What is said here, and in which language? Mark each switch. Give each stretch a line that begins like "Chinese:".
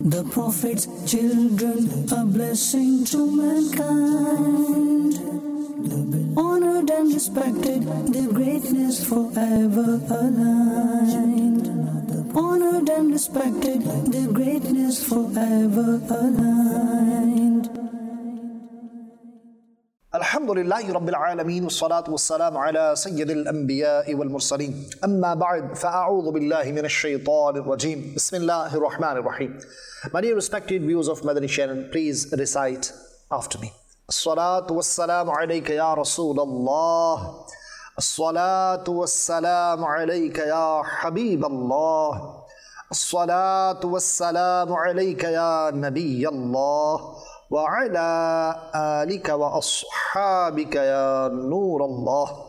English: The prophet's children, a blessing to mankind. Honored and respected, their greatness forever aligned. Honored and respected, their greatness forever aligned.
Arabic: الحمد لله رب العالمين والصلاة والسلام على سيد الأنبياء والمرسلين أما بعد فأعوذ بالله من الشيطان الرجيم بسم الله الرحمن الرحيم.
English: My dear respected viewers of Madani Channel, please recite after me.
Arabic: الصلاة والسلام عليك يا رسول الله. الصلاة والسلام عليك يا حبيب الله. الصلاة والسلام عليك يا نبي الله. وعلى آلك وأصحابك يا نور الله.